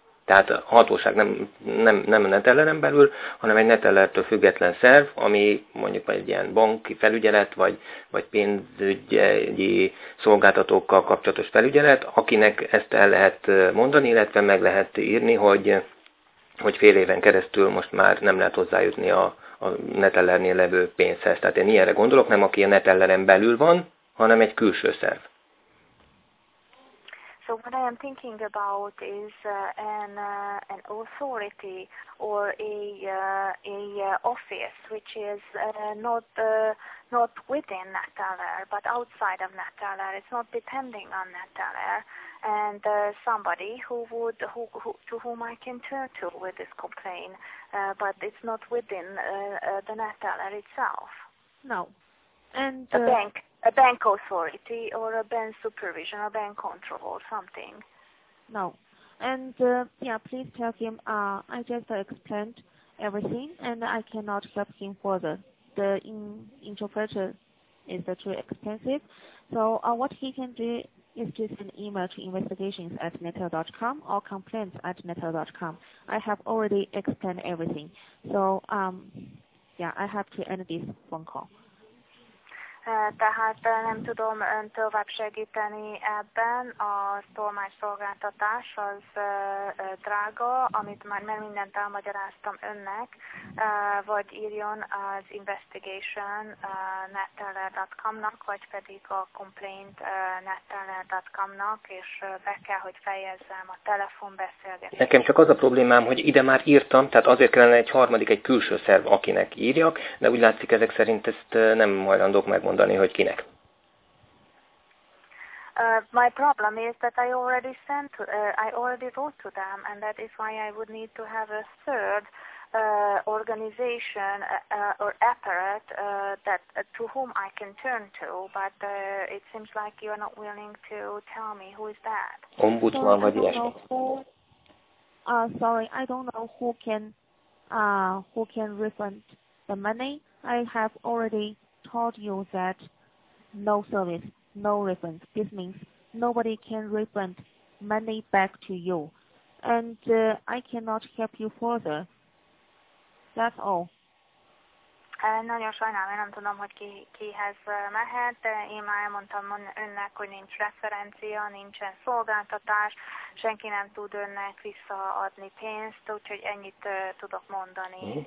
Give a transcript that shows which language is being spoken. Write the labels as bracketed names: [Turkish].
[Hungarian] Tehát a hatóság nem a Netelleren belül, hanem egy Netellertől független szerv, ami mondjuk egy ilyen banki felügyelet, vagy pénzügyi szolgáltatókkal kapcsolatos felügyelet, akinek ezt el lehet mondani, illetve meg lehet írni, hogy fél éven keresztül most már nem lehet hozzájutni a Netellernél levő pénzhez. Tehát én ilyenre gondolok, nem aki a Netelleren belül van, hanem egy külső szerv. [English] So what I am thinking about is an authority or a office which is not within Neteller but outside of Neteller. It's not depending on Neteller, and somebody to whom I can turn to with this complaint, but it's not within the Neteller itself. No, and a bank. A bank authority or a bank supervision or bank control or something. No. And yeah, please tell him I just explained everything and I cannot help him further. The interpreter is too expensive. So what he can do is to send email to investigations@natella.com or complaints@natella.com. I have already explained everything. So yeah, I have to end this phone call. [Hungarian] Tehát nem tudom ön tovább segíteni ebben, a tolmács szolgáltatás az drága, amit már nem mindent elmagyaráztam önnek, vagy írjon az investigation.neteller.com-nak, vagy pedig a complaint.neteller.com-nak, és be kell, hogy fejezzem a telefonbeszélgetést. Nekem csak az a problémám, hogy ide már írtam, tehát azért kellene egy harmadik, egy külső szerv, akinek írjak, de úgy látszik ezek szerint ezt nem hajlandók megmondani. [English] My problem is that I already sent, I already wrote to them, and that is why I would need to have a third organization or apparat that to whom I can turn to. But it seems like you are not willing to tell me who is that. [Hungarian] Ombudsman vagy ilyesmi. [English] Sorry, I don't know who can refund the money. I have already told you that no service, no refund. This means nobody can refund money back to you. And I cannot help you further. That's all. [Hungarian] Nagyon sajnálom, én nem tudom, hogy kihez mehet, de én már elmondtam önnek, hogy nincs referencia, nincsen szolgáltatás, senki nem tud önnek visszaadni pénzt, úgyhogy ennyit tudok mondani.